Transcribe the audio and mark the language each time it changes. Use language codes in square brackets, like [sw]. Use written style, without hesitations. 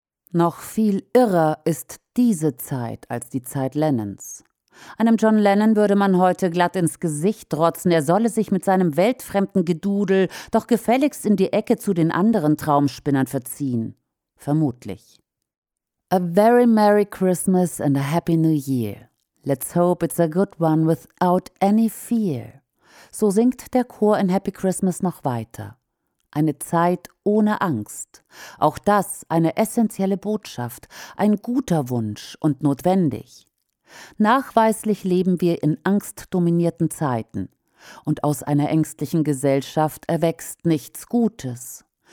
[de] Noch viel irrer ist diese Zeit als die Zeit Lennons. Einem John Lennon würde man heute glatt ins Gesicht trotzen, er solle sich mit seinem weltfremden Gedudel doch gefälligst in die Ecke zu den anderen Traumspinnern verziehen. Vermutlich. [en] A very merry Christmas and a happy new year. Let's hope it's a good one without any fear. [de] So singt der Chor in Happy Christmas noch weiter. Eine Zeit ohne Angst. Auch das eine essentielle Botschaft, ein guter Wunsch und notwendig. Nachweislich leben wir in angstdominierten Zeiten. Und aus einer ängstlichen Gesellschaft erwächst nichts Gutes.